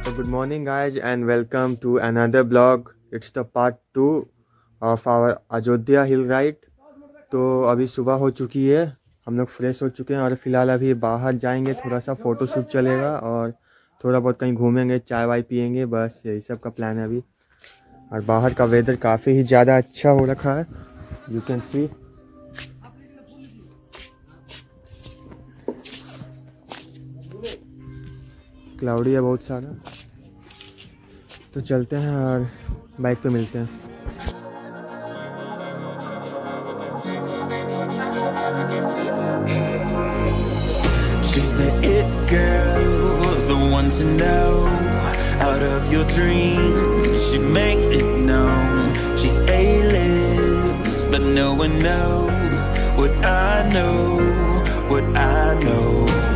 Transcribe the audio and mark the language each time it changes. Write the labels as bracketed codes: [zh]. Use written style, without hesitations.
[en] morning, guys, and welcome to another blog. It's the part 2 of our Ajodhya hill ride. [hi] तो अभी सुबह हो चुकी है, हम लोग फ्रेश हो चुके हैं और फिलहाल अभी बाहर जाएंगे, थोड़ा सा फोटोशूट चलेगा और थोड़ा बहुत कहीं घूमेंगे, चाय वाय पियेंगे, बस यही सब का प्लान है अभी. और बाहर का वेदर काफ़ी ही ज़्यादा अच्छा हो रखा है, [en] You can see. [hi] क्लाउडी है बहुत सारा, तो चलते हैं और बाइक पे मिलते हैं. [en] She's the it girl, the one to know. Out of your dreams, she makes it known. She's A-list, but no one knows what I know, what I know.